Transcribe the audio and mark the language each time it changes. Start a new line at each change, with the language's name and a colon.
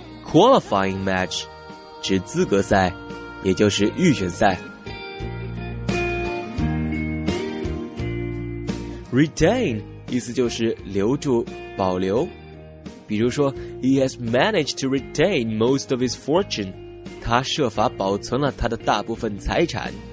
Chinese: Qualifying match 指资格赛，也就是预选赛。 Retain 意思就是留住、保留。比如说
English: ,He has managed to retain most of his fortune.
Chinese: 他设法保存了他的大部分财产。